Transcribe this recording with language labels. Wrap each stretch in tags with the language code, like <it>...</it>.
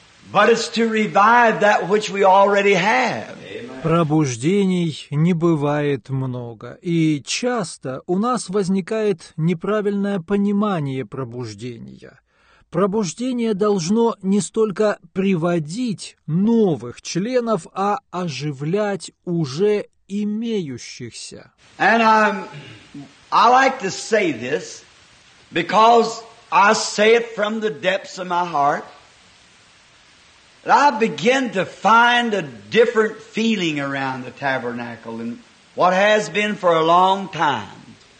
<en>But it's to revive that which we already have.</en> <ru>Пробуждений не бывает много, и часто у нас возникает неправильное понимание пробуждения. Пробуждение должно не столько приводить новых членов, а оживлять уже имеющихся.</ru> <en>And I like to say this, because I say it from the depths of my heart. I begin to find a different feeling around the tabernacle than what has been for a long time.</en>